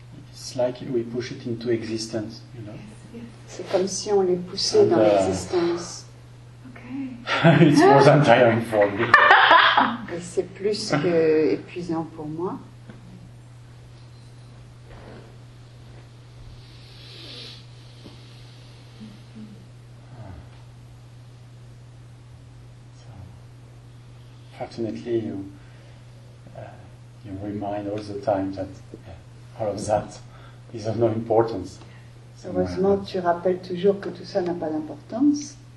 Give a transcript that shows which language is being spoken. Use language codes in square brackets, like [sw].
[en] It's like we push it into existence, you know. [fr] C'est comme si on les poussait dans l'existence. [en] Okay. It's more than tiring for me. [fr] Et c'est plus que épuisant pour moi. [en] So, fortunately, you remind all the time that all of that is of no importance. [fr] Heureusement, tu rappelles toujours que tout ça n'a pas d'importance.